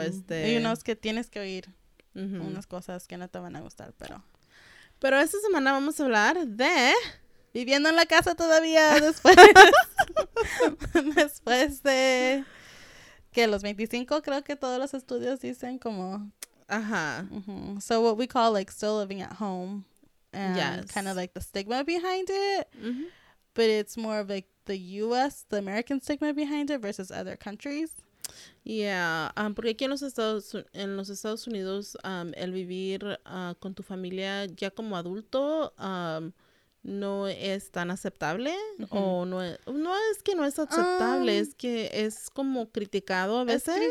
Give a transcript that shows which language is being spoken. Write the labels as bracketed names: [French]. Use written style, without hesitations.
[Spanish] Y unos que tienes que oír. Unas cosas que no te van a gustar, pero... Pero esta semana vamos a hablar de... Viviendo en la casa todavía después de... que los 25 creo que todos los estudios dicen como... Ajá. [English] So what we call like still living at home. And yes. Kind of like the stigma behind it. But it's more of like the US, the American stigma behind it versus other countries. [Spanish] Yeah, porque aquí en los Estados Unidos, el vivir con tu familia ya como adulto no es tan aceptable, o no es que no es aceptable, es que es como criticado a veces.